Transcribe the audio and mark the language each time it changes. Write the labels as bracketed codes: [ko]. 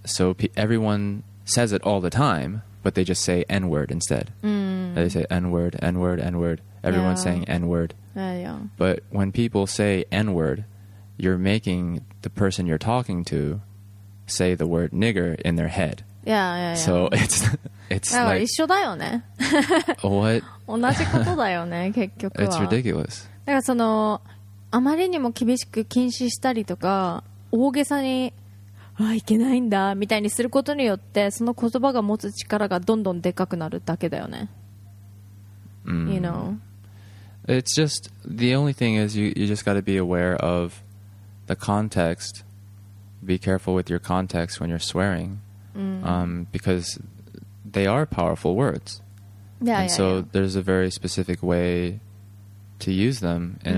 [en] so everyone says it all the time but they just say N word instead、うん、 they say N word, N word, N word, everyone's、 yeah. saying N word、 yeah. but when people say N word you're making the person you're talking to say the word nigger in their head、 yeah, yeah, yeah. so it's [ja] だから一緒だよね。 [en] What? [ja] 同じことだよね結局は。 [en] It's ridiculous. [ja] だからそのあまりにも厳しく禁止したりとか大げさにあいけないんだみたいにすることによってその言葉が持つ力がどんどんでかくなるだけだよね。 Mm. [en] You know. It's just the only thing is you just got to be aware of the context. Be careful with your context when you're swearing. Because they are powerful words. Yeah, and yeah, so yeah. there's a very specific way to use them in、mm.